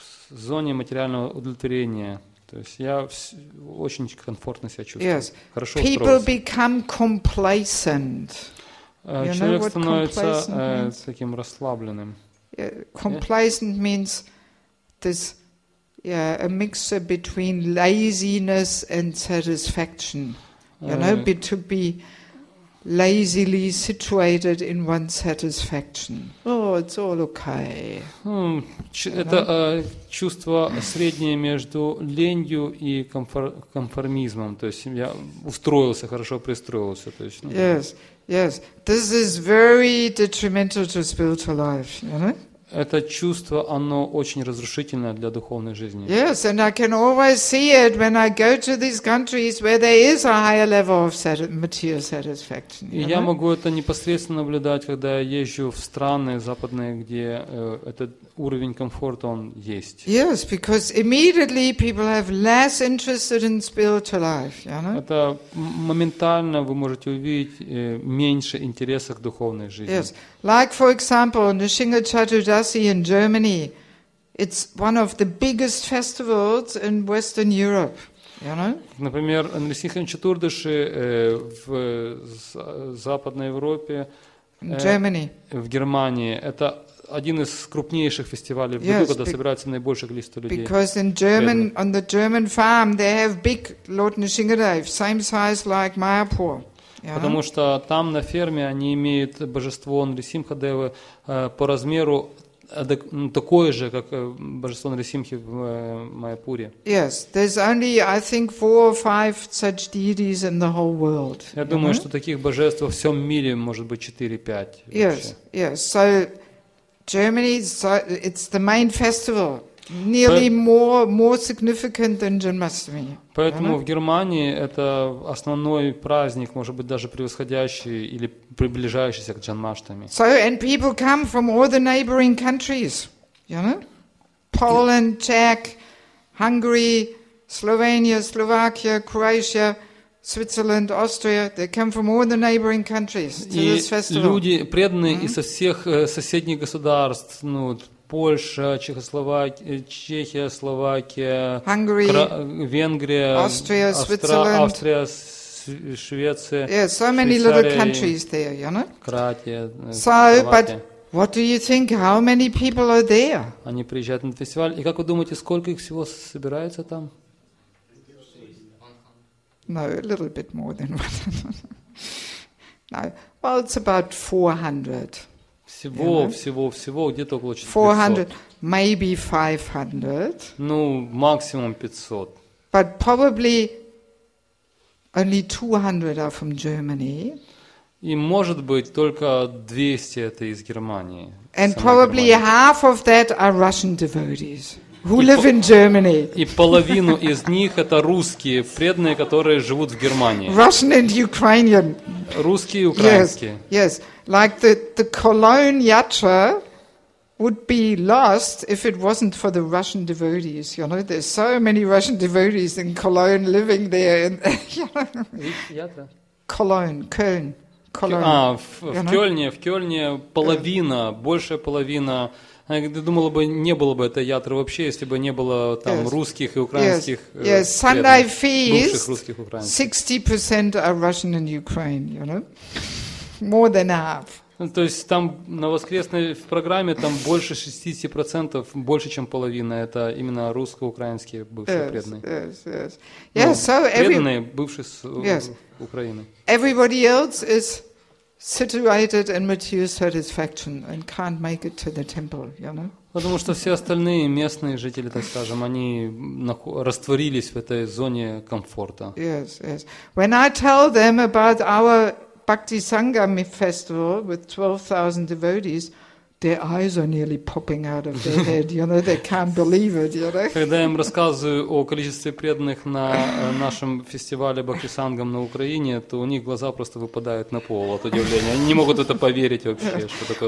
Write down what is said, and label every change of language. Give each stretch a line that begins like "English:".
Russian: зоне материального удовлетворения. То есть я очень комфортно себя чувствую.
English: Yes.
Russian: Хорошо
English: People
Russian: устроился.
English: Become complacent. Человек становится таким расслабленным. Complacent means this a mixture between laziness and satisfaction. You know, to be lazily situated in one's satisfaction. Oh, it's all okay.
Russian: Это чувство среднее между ленью и конформизмом. То есть я устроился, хорошо пристроился. То есть,
English: Yes, yes. This is very detrimental to spiritual life. You know?
Russian: Это чувство, оно очень разрушительное для духовной жизни.
English: Yes, and I can always see it when I go to these countries where there is a higher level of material satisfaction.
Russian: И я могу это непосредственно наблюдать, когда я езжу в страны западные, где этот уровень комфорта, он есть.
English: Yes, because immediately people have less interest in spiritual life.
Russian: Это моментально вы можете увидеть меньше интереса к духовной жизни.
English: Yes, like, for example, Nrisimha Chaturdasi in Germany, It's one of the biggest festivals in Western Europe. You know?
Russian: Например, Нарисні Ханчатурдиши в Западной Европе,
English: Germany.
Russian: В Германии. Это один из крупнейших фестивалей в году, yes, когда собирается наибольшее количество людей.
English: Because in German, on the German farm, they have big Lotnischingerei, same size like Mayapur. Yeah.
Russian: Потому что там на ферме они имеют божество Нрисимхадевы по размеру такое же, как божество Нрисимхи в Майяпуре.
English: Yes, there's only I think 4 or 5 such deities in the whole world.
Russian: Я думаю, mm-hmm. что таких божеств во всем мире может быть 4-5.
English: Yes, yes. So Germany, it's the main festival. Nearly more significant than Janmashtami.
Russian: Поэтому в Германии это основной праздник, может быть даже превосходящий или приближающийся к Джанмаштами.
English: So and people come from all the neighboring countries, you know, Poland, Czech, Hungary, Slovenia, Slovakia, Croatia, Switzerland, Austria. They come from all the neighboring countries to this festival.
Russian: И люди преданные из всех соседних государств, ну Польша, Чехия, Словакия,
English: Hungary,
Russian: Венгрия,
English: Austria, Switzerland,
Russian: Австрия, Швеция,
English: yeah, so many little countries there, you know?
Russian: Кратия,
English: so, Словакия. But what do you think? How many people are there?
Russian: Они приезжают на фестиваль. И как вы думаете, сколько их всего собирается там?
English: No, a little bit more than 100. No, well, it's about 400.
Russian: Всего,
English: you know?
Russian: всего, где-то около 400.
English: 400, maybe 500.
Russian: Ну, максимум 500.
English: But probably only 200 are from Germany.
Russian: И, может быть, только 200 это из Германии.
English: And probably Германия. Half of that are Russian devotees who live in Germany.
Russian: И половину из них это русские, преданные, которые живут в Германии.
English: Russian and Ukrainian.
Russian: Русские и украинские.
English: Yes, yes. Like the Cologne Yatra would be lost if it wasn't for the Russian devotees. You know, there's so many Russian devotees in Cologne living there. Which Yatra? Cologne. Cologne.
Russian: В Кёльне половина, большая половина. Я думала бы, не было бы этой Ятры вообще, если бы не было там
English: yes.
Russian: русских и украинских.
English: Yes. Yes. Sunday feast. 60% are Russian and Ukraine. You know. More than half.
Russian: То есть там на воскресной в программе там больше 60%, больше чем половина это именно русско-украинские бывшие
English: yes,
Russian: преданные.
English: Yes, yes, yes. So
Russian: преданные бывшие с yes. Украины.
English: Everybody else is situated in material satisfaction and can't make it to the temple, you know.
Russian: Потому что все остальные местные жители, так скажем, они растворились в этой зоне комфорта.
English: Yes, yes. When I tell them about our Bhakti Sangam festival with 12,000 devotees, their eyes are nearly popping out of their head. You know, they can't believe it. You know.
Russian: Когда я им рассказываю о количестве преданных на нашем фестивале Бхакти Сангам на Украине, то у них глаза просто выпадают на пол от удивления. Они не могут это поверить вообще, что такое.